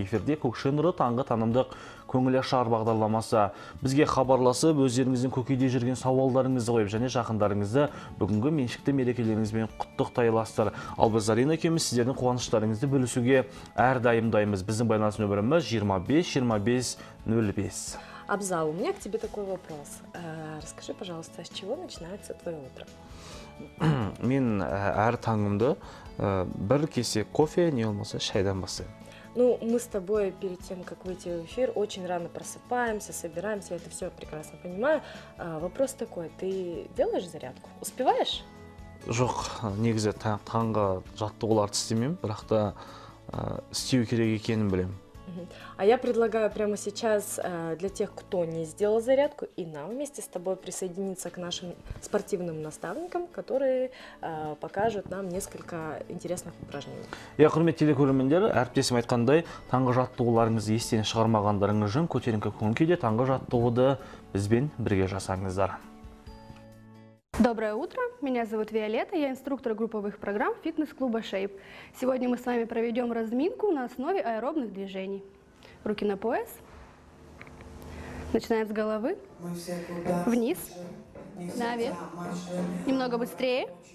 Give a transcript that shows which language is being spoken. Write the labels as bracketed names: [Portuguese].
[Kazakh] Эфирде Көкше нұры таңғы танымдық көңілашар бағдарламасы. Бізге хабарласып, өздеріңіздің көкейде жүрген сауалдарыңызды қойып, және жақындарыңызды бүгінгі меншікті мерекелеріңізбен құттықтай аласыздар. Ал біз Зарина екеуміз сіздердің қуаныштарыңызды бөлісуге әрдайым дайынбыз. Біздің байланыс нөміріміз 252505. [Russian] Абзал, у меня к тебе такой вопрос. Расскажи, пожалуйста, с чего начинается твое утро? [Kazakh] Мен әр таңымды бір кесе кофе, не болмаса, шайдан бастаймын. [Russian] Ну, мы с тобой перед тем, как выйти в эфир, очень рано просыпаемся, собираемся, я это все прекрасно понимаю. Вопрос такой, ты делаешь зарядку? Успеваешь? [Kazakh] Жоқ, негізе таңға жаттығуларды істемеймін, бірақ та істеу керек екенін білемін. [Russian] А я предлагаю прямо сейчас для тех, кто не сделал зарядку, и нам вместе с тобой присоединиться к нашим спортивным наставникам, которые покажут нам несколько интересных упражнений. [Kazakh] Я құрметті телекөрермендер, әріптесім айтқандай, таңғы жаттығуларыңызды естен шығармағандарыңыз үшін көтеріңкі көңілде таңғы жаттығуды бізбен бірге жасаңыздар. [Russian] Доброе утро, меня зовут Виолетта, я инструктор групповых программ фитнес-клуба Shape. Сегодня мы с вами проведем разминку на основе аэробных движений. Руки на пояс. Начинаем с головы. Вниз. Наверх. Немного быстрее.